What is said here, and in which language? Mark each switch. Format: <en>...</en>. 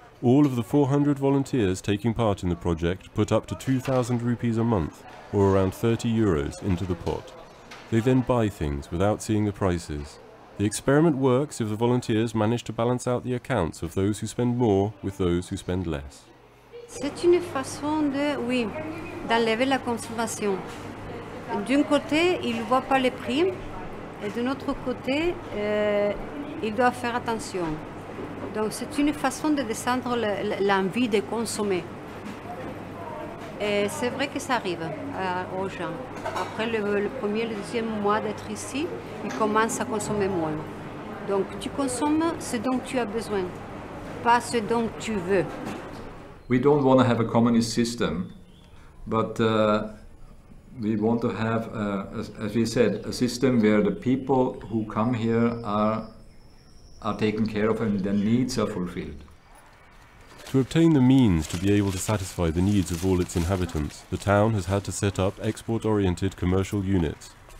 <en>All of the 400 volunteers taking part in the project put up to 2,000 rupees a month, or around 30 euros, into the pot. They then buy things without seeing the prices. The experiment works if the volunteers manage to balance out the accounts of those who spend more with those who spend less.</en> <fr>C'est une façon de, oui, d'enlever la consommation. D'un côté, ils ne voient pas les primes, et d'un autre côté, ils doivent faire attention. Donc c'est une façon de descendre l'envie de consommer. Et c'est vrai que ça arrive aux gens. Après le premier, le deuxième mois d'être ici, ils commencent à consommer moins. Donc tu consommes ce dont tu as besoin, pas ce dont tu veux.</fr> <en>We don't want to have a communist system, but we want to have, as we said, a system where the people who come here are taken care of and their needs are fulfilled. To obtain the means to be able to satisfy the needs of all its inhabitants, the town has had to set up export-oriented commercial units.</en>